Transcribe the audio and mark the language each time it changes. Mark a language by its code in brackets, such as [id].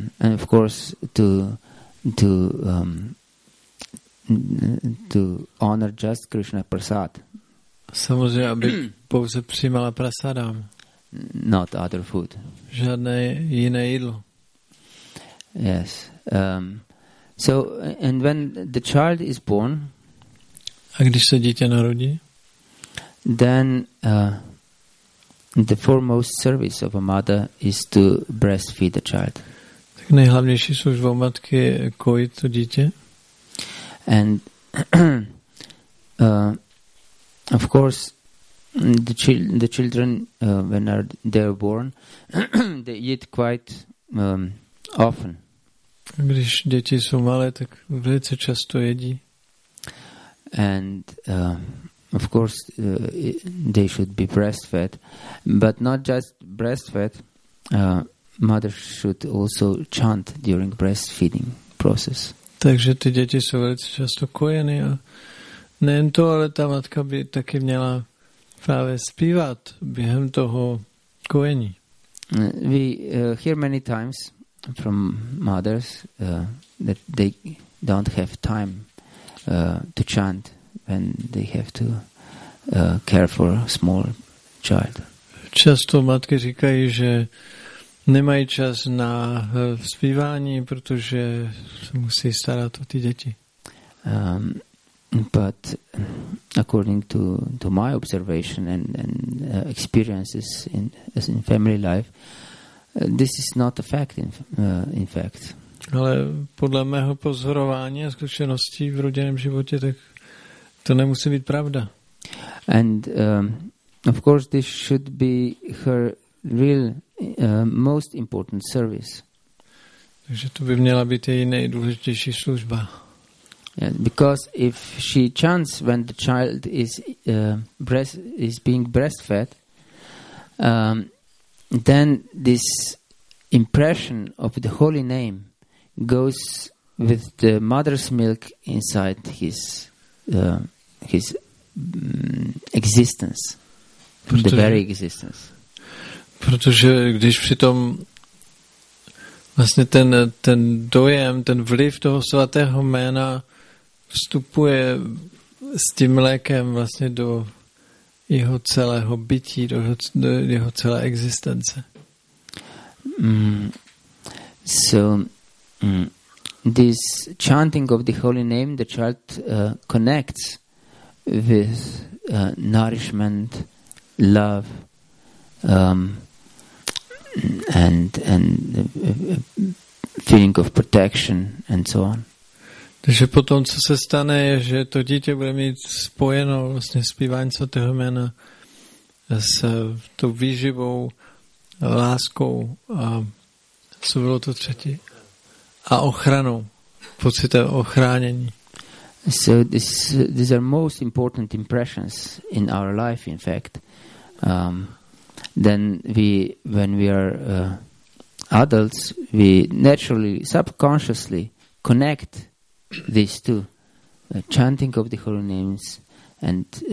[en] And of course to honor just Krishna Prasad. [cs] Samozřejmě, aby pouze přijímala prasadam. [en] Not other food. [cs] Žádné jiné jídlo. [en] Yes. So and when the child is born. [cs] A když se dítě narodí? [en] Then the foremost service of a mother is to breastfeed the child. [cs] Tak nejhlavnější služba matky je kojit to dítě. [en] And of course the children when they're born they eat quite often. [cs] Když děti jsou malé, tak velice často jedí. [en] And of course, they should be breastfed, but not just breastfed. Mothers should also chant during breastfeeding process. [cs] Takže ty děti jsou velice často kojeny a nejen to, ale ta matka by taky měla právě zpívat během toho kojení. [en] We hear many times from mothers that they don't have time to chant when they have to care for a small child. [cs] Často matky říkají, že nemají čas na zpívání, protože se musí starat o ty děti. [en] But according to my observation and experiences in family life, this is not a fact. In fact. [cs] Ale podle mého pozorování a zkušeností v rodinném životě, tak to nemusí být pravda. [en] And of course, this should be her real most important service. [cs] Takže to by měla být její nejdůležitější služba. [en] Yeah, because if she chants when the child is being breastfed, then this impression of the holy name goes with the mother's milk inside his existence, the very existence. [cs] Protože když přitom vlastně ten dojem, ten vliv toho svatého jména vstupuje s tím mlékem vlastně do jeho celého bytí, do jeho celé existence. [en] So this chanting of the holy name, the child connects with nourishment, love, and feeling of protection and so on. [cs] Takže potom, co se stane, je, že to dítě bude mít spojeno vlastně zpívání svatého jména s tou výživou, láskou a co bylo to třetí? A ochranou, pocitem ochránění. [en] So these are most important impressions in our life, in fact. When we are adults, we naturally, subconsciously connect these two, chanting of the holy names and